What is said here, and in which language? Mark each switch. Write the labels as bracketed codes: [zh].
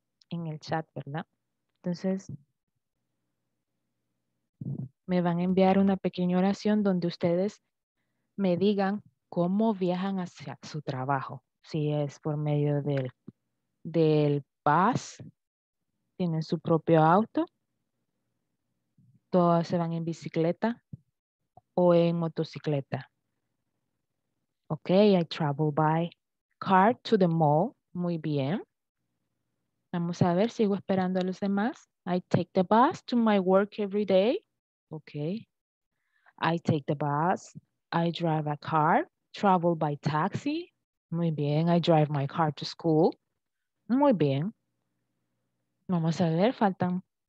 [es] En el chat, ¿verdad? Entonces, me van a enviar una pequeña oración donde ustedes me digan cómo viajan hacia su trabajo. Si es por medio del bus, tienen su propio auto, todos se van en bicicleta o en motocicleta. [en] Ok, I travel by car to the mall. [es] Muy bien. Vamos a ver, sigo esperando a los demás. [en] I take the bus to my work every day. Ok. I take the bus. I drive a car, travel by taxi. [es] Muy bien, [en] I drive my car to school. Muy bien. [es] Vamos a ver, faltan.